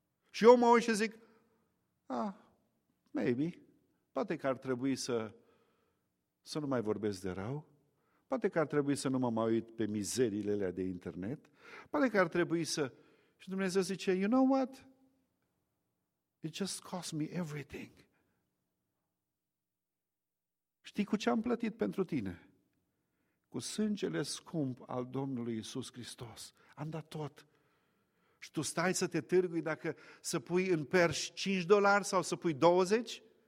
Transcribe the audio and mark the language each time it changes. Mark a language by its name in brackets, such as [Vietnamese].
[Romanian] Și eu mă uit și zic, maybe, poate că ar trebui să nu mai vorbesc de rău, poate că ar trebui să nu mă mai uit pe mizeriile alea de internet, poate că ar trebui să... Și Dumnezeu zice, [English] you know what? It just cost me everything. [Romanian] Știi cu ce am plătit pentru tine? Cu sângele scump al Domnului Iisus Hristos. Am dat tot. Și tu stai să te târgui dacă să pui în perși $5 sau să pui 20?